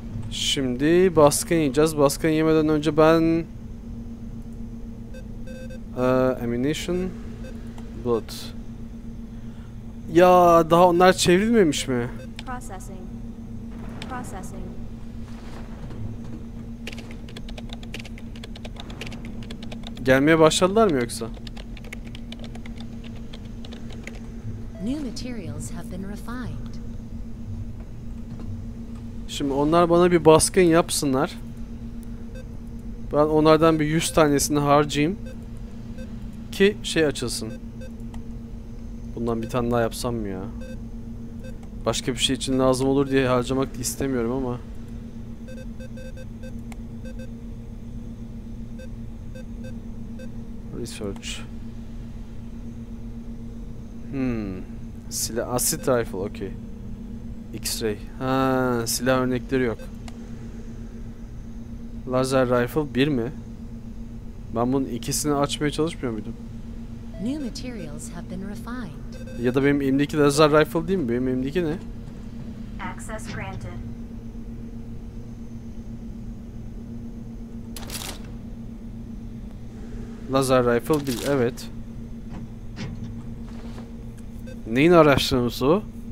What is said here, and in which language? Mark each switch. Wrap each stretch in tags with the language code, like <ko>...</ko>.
<tr>Şimdi baskın yiyeceğiz. Baskın yemeden önce ben</tr> <en>ammunition bullet.</en> <tr>Ya daha onlar çevrilmemiş mi?</tr> <en>Processing. Processing.</en> <tr>Gelmeye başladılar mı yoksa?</tr> <en>New materials have been refined.</en> <tr>Şimdi onlar bana bir baskın yapsınlar. Ben onlardan bir 100 tanesini harcayayım. Ki şey açılsın. Bundan bir tane daha yapsam mı ya? Başka bir şey için lazım olur diye harcamak istemiyorum ama.</tr> <en>Research.</en> <tr>Silah, asit rifle, okey. X-ray. Ha, silah örnekleri yok. Lazer rifle 1 mi? Ben bunun ikisini açmaya çalışmıyor muydum?</tr> <en>New materials have been refined.</en> <tr>Ya da benim elimdeki lazer rifle değil mi? Benim elimdeki ne?</tr> <en>Access granted.</en> <tr>Lazer rifle 1, evet. Neyin araştırması o?</tr>